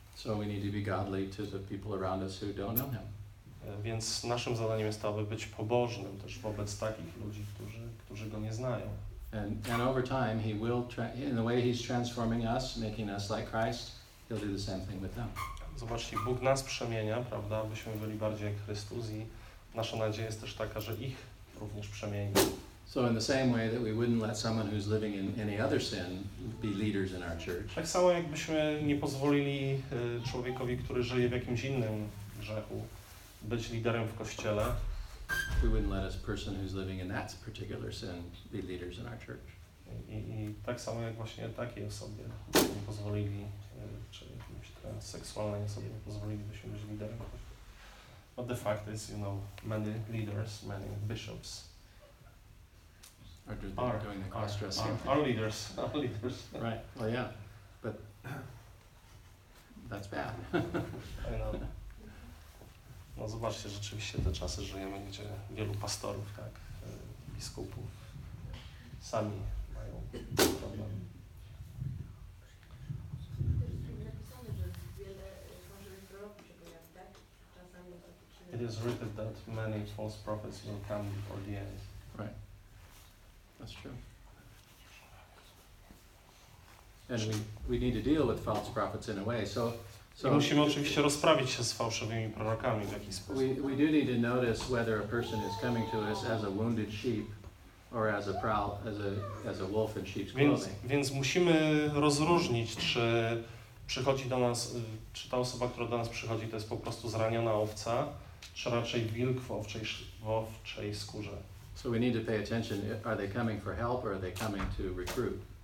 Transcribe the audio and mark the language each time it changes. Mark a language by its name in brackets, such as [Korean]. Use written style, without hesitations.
[English] So we need to be godly to the people around us who don't know him. [Polish] Więc naszym zadaniem jest to, aby być pobożnym też wobec takich ludzi, którzy go nie znają. [English] And over time, he will, in the way he's transforming us, making us like Christ, he'll do the same thing with them. [Polish] Zobaczcie, Bóg nas przemienia, prawda, abyśmy byli bardziej jak Chrystus, i nasza nadzieja jest też taka, że ich również przemieni. [English] So in the same way that we wouldn't let someone who's living in any other sin be leaders in our church. [Polish] Tak samo jakbyśmy nie pozwolili człowiekowi, który żyje w jakimś innym grzechu, być liderem w kościele. [English] We wouldn't let a person who's living in that particular sin be leaders in our church. [Polish] I tak samo jak właśnie takiej osobie nie pozwolili, czy jakiejś seksualnej osobie nie pozwolilibyśmy być liderem. [English] But the fact is, you know, many leaders, many bishops are doing the cross-dressing thing. Our leaders. Right. Well, yeah. But that's bad. I know. [Polish] No zobaczcie, rzeczywiście te czasy żyjemy, gdzie wielu pastorów, tak, biskupów sami mają problem. [English] It is written that many false prophets will come before the end. Right. That's true. And we need to deal with false prophets in a way. So, [Polish] i musimy oczywiście rozprawić się z fałszywymi prorokami w jakiś sposób. [English] We do need to notice whether a person is coming to us as a wounded sheep or as a wolf in sheep's clothing. [Polish] Więc musimy rozróżnić, czy przychodzi do nas, czy ta osoba, która do nas przychodzi, to jest po prostu zraniona owca, czy raczej wilk w owczej skórze. [English] So we need to pay attention, are they coming for help or are they coming to recruit?